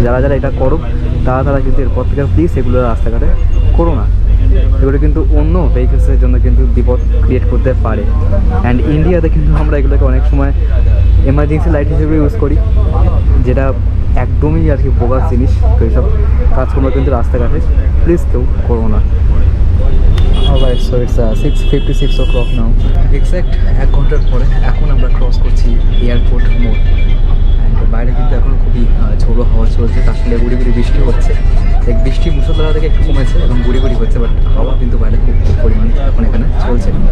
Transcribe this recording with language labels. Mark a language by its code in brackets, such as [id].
[bn] যারা যারা এটা করো তারা তারা কিন্তু এরপর থেকে প্লিজ এগুলো রাস্তাঘাটে করো না, এগুলো কিন্তু অন্য ভেহিকেলসের জন্য কিন্তু বিপদ ক্রিয়েট করতে পারে। অ্যান্ড ইন্ডিয়াতে কিন্তু আমরা এগুলোকে অনেক সময় এমার্জেন্সি লাইট হিসেবে ইউজ করি, যেটা একদমই আর কি বোগাস জিনিস। তো এইসব কাজকর্ম কিন্তু রাস্তাঘাটে প্লিজ কেউ করো না। [en] Alright, so it's 6:56 o'clock now. [bn] Exact এক ঘন্টার পরে এখন আমরা ক্রস করছি এয়ারপোর্ট মোড়। অ্যান্ড বাইরে কিন্তু এখন খুবই ঝোড়ো হাওয়া চলছে, তার সঙ্গে গুড়ি গুড়ি বৃষ্টি হচ্ছে। বৃষ্টি মুসলধারা থেকে একটু কমেছে এবং গুড়ি গুড়ি হচ্ছে, বাট হাওয়া কিন্তু বাইরে খুব পরিমাণে এখন এখানে চলছে।